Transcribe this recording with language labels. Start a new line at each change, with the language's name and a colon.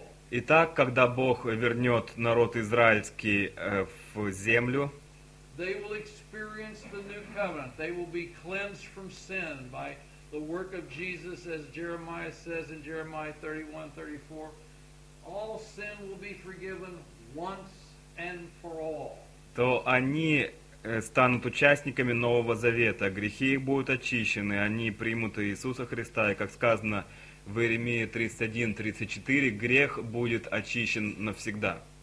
Russian: Итак, когда Бог вернет народ израильский в землю,
English: they will experience the new covenant. They will be cleansed from sin by the work of Jesus, as Jeremiah says in Jeremiah 31:34. All sin will be forgiven once and for all.
Russian: То они станут участниками Нового Завета. Грехи их будут очищены. Они примут Иисуса Христа. И как сказано в Иеремии 31:34, грех будет очищен навсегда.